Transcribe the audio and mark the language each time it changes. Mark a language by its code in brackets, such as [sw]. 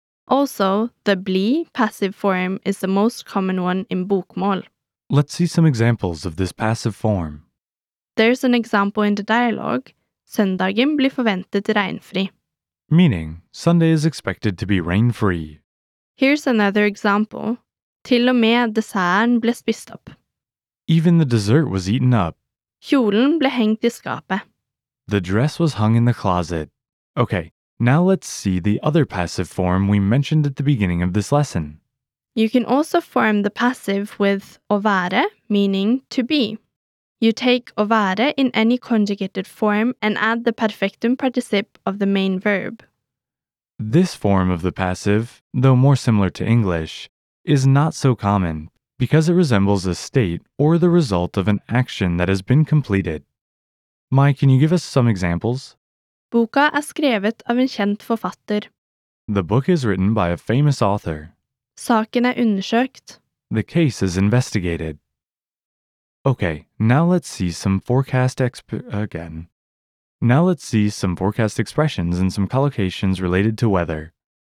[en] Also, the bli passive form is the most common one in bokmål. Let's see some examples of this passive form. There's an example in the dialogue, [no] søndagen blir forventet regnfri. [en] Meaning, Sunday is expected to be rain-free. Here's another example, [no] til og med desserten ble spist opp. [en] Even the dessert was eaten up. [no] Kjolen ble hengt I skapet. [en] The dress was hung in the closet. Okay. Now let's see the other passive form we mentioned at the beginning of this lesson. You can also form the passive with å være, meaning to be. You take å være in any conjugated form and add the perfectum particip of the main verb. This form of the passive, though more similar to English, is not so common because it resembles a state or the result of an action that has been completed. Mai, can you give us some examples? [no] Boka skrevet av en kjent forfatter. [en] The book is written by a famous author. [no] Saken undersøkt. [en] The case is investigated. Okay, now let's see some forecast again. Now let's see some forecast expressions and some collocations related to weather.